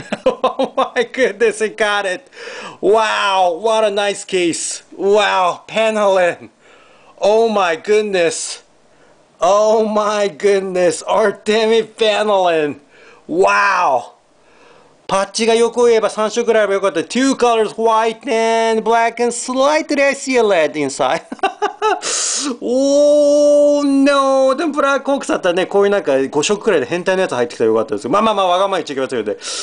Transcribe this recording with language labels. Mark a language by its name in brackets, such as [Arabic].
[English] Oh my goodness, I got it! Wow, what a nice case! Wow, Panelin! Oh my goodness! Oh my goodness, Artemi Panelin! Wow! [Japanese] パッチが横を言えば3色くらいは良かった。 [English] Two colors, white and black and slightly I see a red inside. Oh no! [Japanese] でもブラックホークスだったらね、こういうなんか5色くらいで変態のやつ入ってきたら良かったですけど。まあまあまあ、わがまま言っちゃいけませんので。